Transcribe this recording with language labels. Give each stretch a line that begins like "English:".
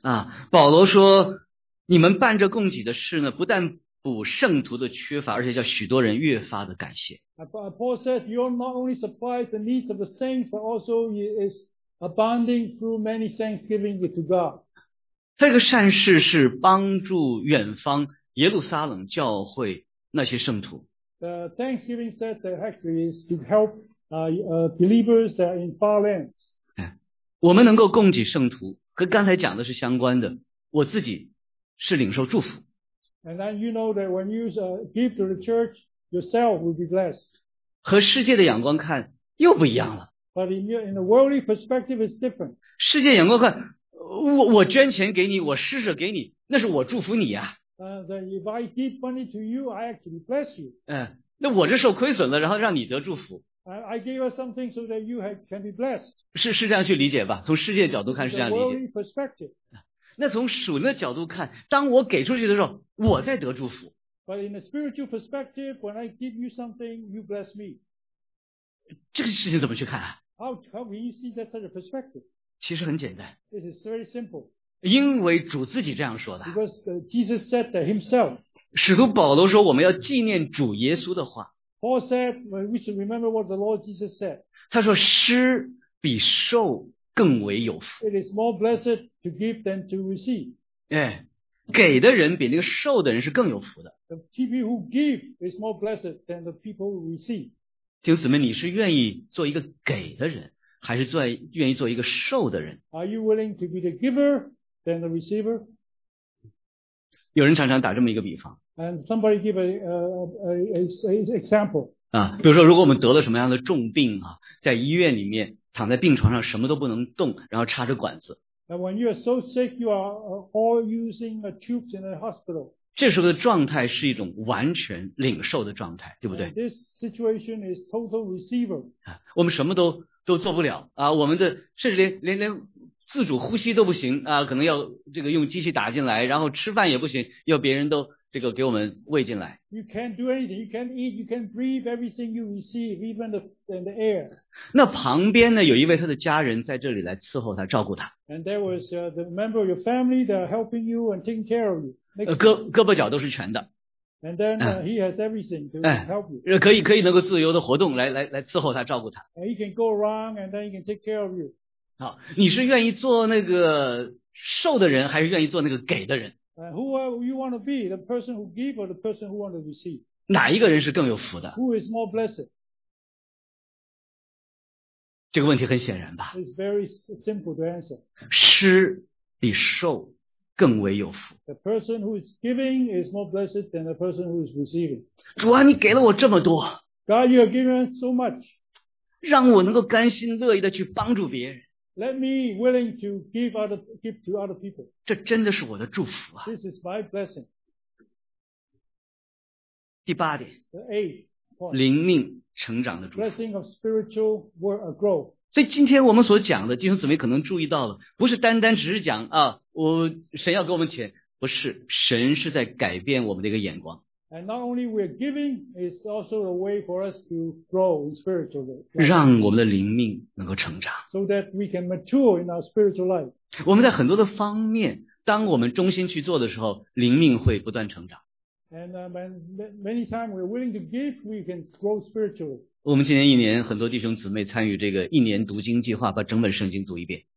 Chinese: 啊，保罗说，你们办这供给的事呢，不但补圣徒的缺乏，而且叫许多人越发的感谢。
English: Paul said, you're not only supplies the needs of the saints, but also is abounding through many thanksgiving to God.
Chinese: 这个善事是帮助远方耶路撒冷教会那些圣徒。
English: The thanksgiving said that actually is to help believers that are in far lands.
Chinese: 我们能够供给圣徒，跟刚才讲的是相关的。我自己是领受祝福。
English: And then you know that when you give to the church, yourself will be blessed.
Chinese: 和世界的眼光看又不一样了。
English: But in the worldly perspective, it's different.
Chinese: 世界眼光看，我捐钱给你，我施舍给你，那是我祝福你呀。
English: If I give money to you, I actually bless you.
Chinese: 那我这受亏损了，然后让你得祝福。
English: I gave us something so that you can be blessed.
Chinese: 是这样去理解吧？从世界角度看是这样理解。
English: The worldly perspective.
Chinese: 那从属灵的角度看，当我给出去的时候，我在得祝福。
English: But in a spiritual perspective, when I give you something, you bless me.
Chinese: 这个事情怎么去看啊？
English: How can you see that such a perspective?
Chinese: 其实很简单。
English: This is very simple.
Chinese: 因为主自己这样说的。
English: Because Jesus said that himself.
Chinese: 使徒保罗说我们要纪念主耶稣的话。
English: Paul said we should remember what the Lord Jesus said.
Chinese: 他说施比受更为有福。
English: It is more blessed to give than to receive.
Chinese: 给的人比那个受的人是更有福的。
English: The people who give is more blessed than the people who receive.
Chinese: 弟兄姊妹，你是愿意做一个给的人，还是愿意做一个受的人？
English: Are you willing to be the giver than the receiver?
Chinese: 有人常常打这么一个比方。
English: And somebody give an example.
Chinese: 啊，比如说，如果我们得了什么样的重病啊，在医院里面躺在病床上，什么都不能动，然后插着管子。
English: And when you are so sick, you are all using the tubes in the hospital.
Chinese: 这时候的状态是一种完全领受的状态，对不对？
English: This situation is total receiver.
Chinese: 我们什么都做不了啊，我们的甚至连自主呼吸都不行啊，可能要这个用机器打进来，然后吃饭也不行，要别人都这个给我们喂进来。
English: You can't do anything. You can't eat. You can't breathe. Everything you receive, even the air.
Chinese: 那旁边呢，有一位他的家人在这里来伺候他，照顾他。
English: And there was the member of your family that are helping you and taking care of you.
Chinese: 胳膊脚都是全的。
English: And then, he has everything to help you.
Chinese: 可以能够自由的活动来伺候他照顾他。
English: And he can go around and then he can take care of you.
Chinese: 好，你是愿意做那个受的人还是愿意做那个给的人？
English: Who are you want to be? The person who give or the person who want to receive?
Chinese: 哪一个人是更有福的？
English: Who is more blessed?
Chinese: 这个问题很显然吧。
English: It's very simple to answer.
Chinese: 施比受更为有福。
English: The person who is giving is more blessed than the person who is receiving.
Chinese: 主啊，你给了我这么多。
English: God, you have given so much.
Chinese: 让我能够甘心乐意的去帮助别人。
English: Let me willing to give other, give to other people.
Chinese: 这真的是我的祝福啊。
English: This is my blessing.
Chinese: 第八点。
English: The eighth.
Chinese: 灵命成长的祝福。
English: Blessing of spiritual work of growth.
Chinese: 所以今天我们所讲的弟兄姊妹可能注意到了，不是单单只是讲啊，我神要给我们钱，不是，神是在改变我们的一个眼光。
English: And not only we are giving, it's also a way for us to grow in spiritual life.
Chinese: 让我们的灵命能够成长。
English: So that we can mature in our spiritual life.
Chinese: 我们在很多的方面，当我们忠心去做的时候，灵命会不断成长。
English: And many times we're willing to give, we can grow spiritually.
Chinese: 我们今年一年很多弟兄姊妹参与这个一年读经计划，把整本圣经读一遍。